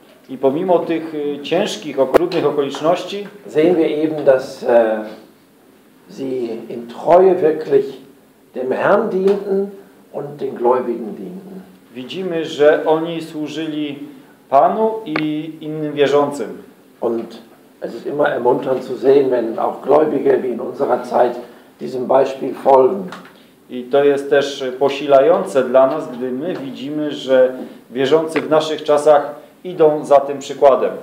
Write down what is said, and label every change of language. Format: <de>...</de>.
<pl>i pomimo tych ciężkich, okrutnych okoliczności,</pl> <de>sehen wir eben, dass sie in Treue wirklich dem Herrn dienten und den Gläubigen dienten.</de> <pl>Widzimy, że oni służyli Panu i innym wierzącym.</pl> <de>Und es ist immer ermunternd zu sehen, wenn auch Gläubige wie in unserer Zeit diesem Beispiel folgen.</de> <pl>I to jest też posilające dla nas, gdy my widzimy, że wierzący w naszych czasach idą za tym przykładem.</pl>